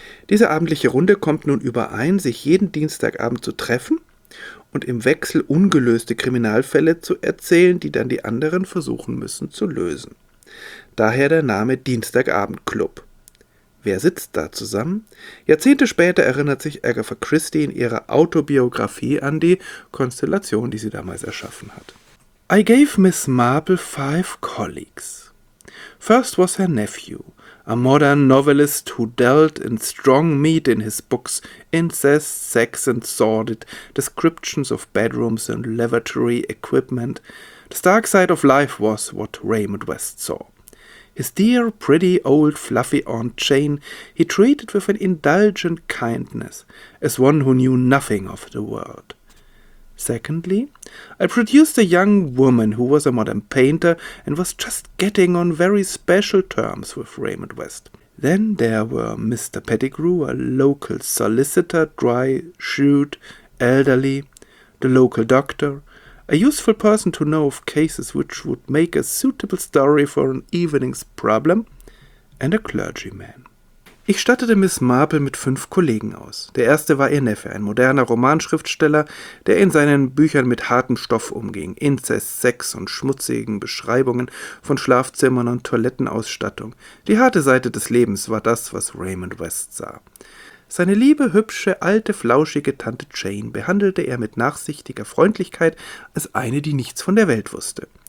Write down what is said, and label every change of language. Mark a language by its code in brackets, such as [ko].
[de] Diese abendliche Runde kommt nun überein, sich jeden Dienstagabend zu treffen und im Wechsel ungelöste Kriminalfälle zu erzählen, die dann die anderen versuchen müssen zu lösen. Daher der Name Dienstagabendclub. Wer sitzt da zusammen? Jahrzehnte später erinnert sich Agatha Christie in ihrer Autobiografie an die Konstellation, die sie damals erschaffen hat. [en] I gave Miss Marple 5 colleagues. First was her nephew, a modern novelist who dealt in strong meat in his books, incest, sex and sordid descriptions of bedrooms and lavatory equipment. The dark side of life was what Raymond West saw. His dear, pretty, old, fluffy Aunt Jane he treated with an indulgent kindness, as one who knew nothing of the world. Secondly, I produced a young woman who was a modern painter and was just getting on very special terms with Raymond West. Then there were Mr. Pettigrew, a local solicitor, dry, shrewd, elderly, the local doctor, a useful person to know of cases which would make a suitable story for an evening's problem, and a clergyman. [de] Ich stattete Miss Marple mit 5 Kollegen aus. Der erste war ihr Neffe, ein moderner Romanschriftsteller, der in seinen Büchern mit hartem Stoff umging, Inzest, Sex und schmutzigen Beschreibungen von Schlafzimmern und Toilettenausstattung. Die harte Seite des Lebens war das, was Raymond West sah. Seine liebe, hübsche, alte, flauschige Tante Jane behandelte er mit nachsichtiger Freundlichkeit als eine, die nichts von der Welt wusste.